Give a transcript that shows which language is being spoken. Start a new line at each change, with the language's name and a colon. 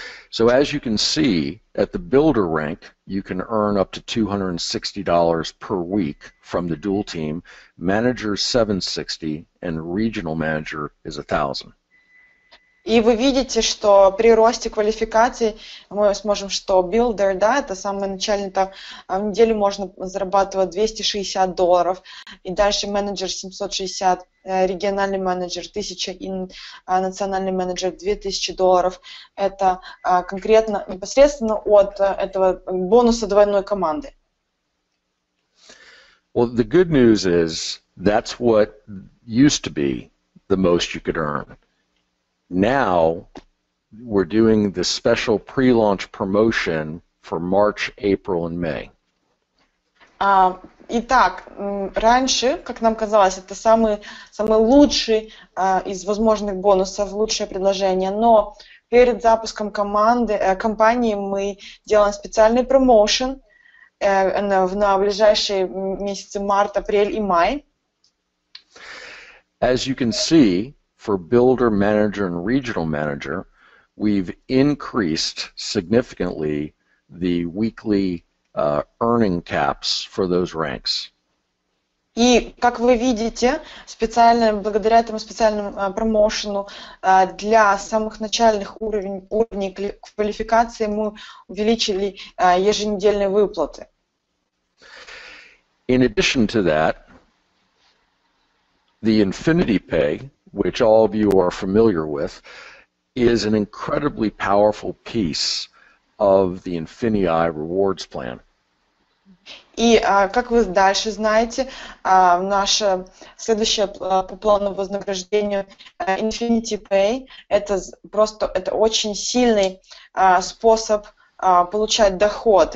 English: So as you can see, at the builder rank, you can earn up to $260 per week from the dual team. Manager is $760, and regional manager is $1,000.
Russian: И вы видите, что при росте квалификации мы сможем, что билдер, да, это самый начальный этап, в неделю можно зарабатывать $260, и дальше менеджер 760, региональный менеджер 1000, и национальный менеджер $2000. Это конкретно, непосредственно от этого бонуса двойной команды.
English: Well, the good news is that's what used to be the most you could earn. Now, we're doing the special pre-launch promotion for March, April, and May.
Russian: Итак, раньше, как нам казалось, это самый лучший из возможных бонусов, лучшее предложение, но перед запуском компании мы делаем специальный промоушен на ближайшие месяцы март, апрель и май.
English: As you can see, for builder, manager, and regional manager, we've increased significantly the weekly earning caps for those ranks.
Russian: И как вы видите, специально благодаря этому специальному промоушену для самых начальных уровней квалификации мы увеличили еженедельные выплаты.
English: In addition to that, the Infinity Pay, which all of you are familiar with, is an incredibly powerful piece of the Infinii Rewards Plan.
Russian: И, как вы дальше знаете, наше следующее по плану вознаграждению Infinity Pay – это просто это очень сильный способ получать доход.